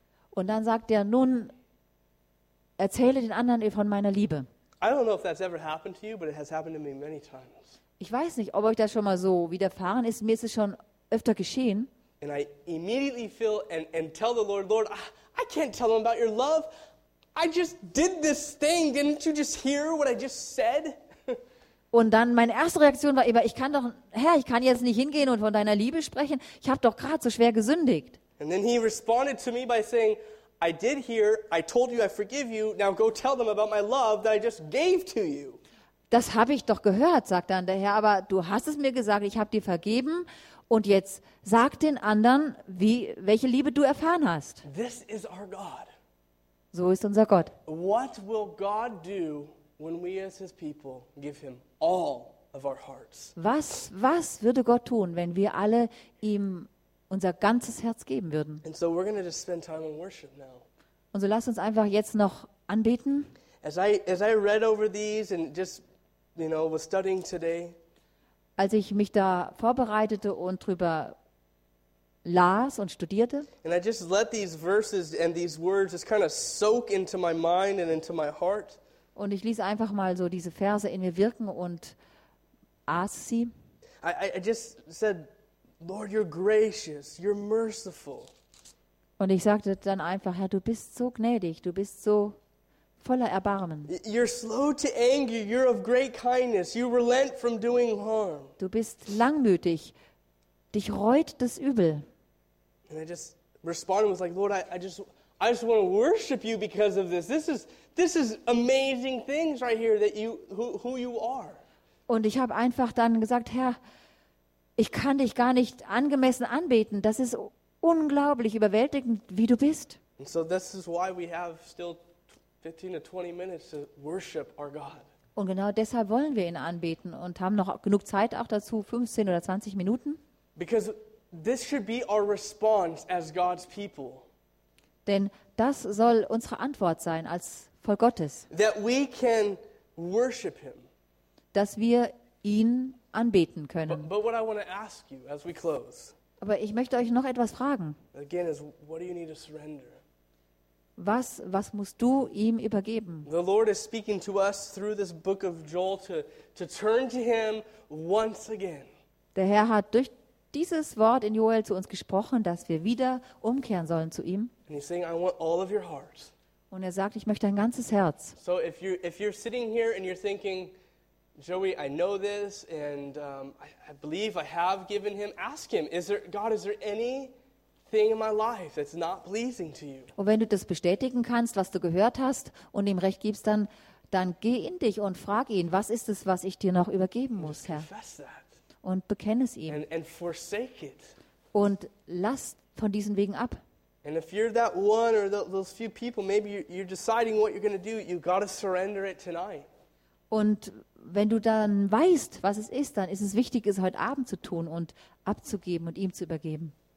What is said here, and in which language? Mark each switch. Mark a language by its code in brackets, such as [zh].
[de] Und dann sagt er, nun erzähle den anderen von meiner Liebe. [en] I don't know if that's ever happened to you, but it has happened to me many times. [de] Ich weiß nicht, ob euch das schon mal so widerfahren ist. Mir ist es schon öfter geschehen. [en] And I immediately feel and tell the Lord, Lord, I can't tell him about your love. I just did this thing. Didn't you just hear what I just said? [de] Und dann meine erste Reaktion war, ich kann jetzt nicht hingehen und von deiner Liebe sprechen. Ich habe doch gerade so schwer gesündigt. [en] And then he responded to me by saying, I did hear, I told you I forgive you, now go tell them about my love that I just gave to you. [de] Das habe ich doch gehört, sagt dann der Herr, aber du hast es mir gesagt, ich habe dir vergeben und jetzt sag den anderen, welche Liebe du erfahren hast. [en] This is our God. [de] So ist unser Gott. [en] What will God do when we as his people give him all of our hearts? [de] Was würde Gott tun, wenn wir alle ihm unser ganzes Herz geben würden? [en] And so we're going to just spend time in worship now. [de] Und so lasst uns einfach jetzt noch anbeten. [en] As I read over these and just, you know, was studying today. [de] Als ich mich da vorbereitete und drüber las und studierte. [en] And I just let these verses and these words just kind of soak into my mind and into my heart. [de] Und ich ließ einfach mal so diese Verse in mir wirken und aß sie. [en] I just said, Lord, you're gracious, you're merciful. [de] Und ich sagte dann einfach, Herr, du bist so gnädig, du bist so voller Erbarmen. [en] You're slow to anger, you're of great kindness, you relent from doing harm. [de] Du bist langmütig, dich reut das Übel. [en] And I just responded with like, Lord, I just want to worship you because of this. This is amazing things right here that you who you are. [de] Und ich habe einfach dann gesagt, Herr, ich kann dich gar nicht angemessen anbeten. Das ist unglaublich überwältigend, wie du bist. [en] And so this is why we have still 15 to 20 minutes to worship our God. [de] Und genau deshalb wollen wir ihn anbeten und haben noch genug Zeit auch dazu, 15 oder 20 Minuten. [en] Because this should be our response as God's people. [de] Denn das soll unsere Antwort sein als Volk Gottes. [en] That we can worship him. [de] Dass wir ihn anbeten können. [en] But what I want to ask you as we close. [de] Aber ich möchte euch noch etwas fragen. [en] Again, is what do you need to surrender? [de] Was musst du ihm übergeben? [en] The Lord is speaking to us through this book of Joel to turn to him once again. [de] Der Herr hat durch dieses Wort in Joel zu uns gesprochen, dass wir wieder umkehren sollen zu ihm. [en] And he's saying, I want all of your heart. [de] Und er sagt, ich möchte dein ganzes Herz. [en] So if you're sitting here and you're thinking, Joey, I know this and I believe I have given him, ask him, is there anything in my life that's not pleasing to you? [de] Und wenn du das bestätigen kannst, was du gehört hast und ihm recht gibst, dann geh in dich und frag ihn, was ist es, was ich dir noch übergeben muss, Herr? Und bekenne es ihm. [en] And forsake it. [de] Und lass von diesen Wegen ab. [en] And if you're that one or those few people, maybe you're deciding what you're going to do, you've got to surrender it tonight. [de] Und wenn du dann weißt, was es ist, dann ist es wichtig, es heute Abend zu tun und abzugeben und ihm zu übergeben.